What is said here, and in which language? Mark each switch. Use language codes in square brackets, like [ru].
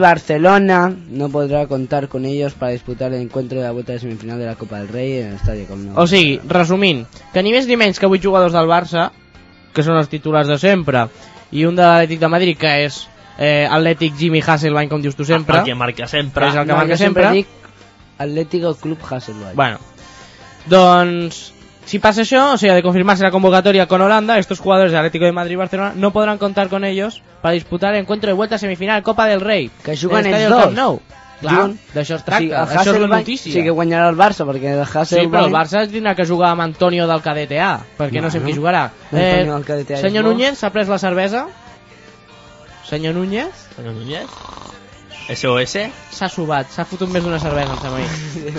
[es] Barcelona no podrá contar con ellos para disputar el encuentro de la vuelta de semifinal de la Copa del Rey en el Estadio Camp Nou. [ca] O sigui, resumint, que ni més ni menys que 8 jugadors del Barça, que són els titulars de sempre... I un de l'Atlètic de Madrid, que és Atlètic Jimmy Hasselbaink, com dius tu sempre. El que marca sempre. És el que marca sempre. Dic Atlético Club Hasselbaink. Bueno, doncs, si passa això, o sigui, de confirmar-se la convocatòria [es] con Holanda, estos jugadores de Atlético de Madrid y Barcelona no podran contar con ellos para disputar el encuentro de vuelta semifinal Copa del Rey. [ca] Que juguen ells dos. Clar, d'això es tracta. O sigui, això és la notícia. Sí que guanyarà el Barça, perquè el Hasselbaink... Sí, però el Barça es tindrà que jugar amb Antonio del KDTA, perquè no sé qui jugarà. Senyor Núñez, s'ha pres la cervesa? Senyor Núñez? S.O.S. S'ha subat, s'ha fotut més d'una cervesa, em sembla a mi.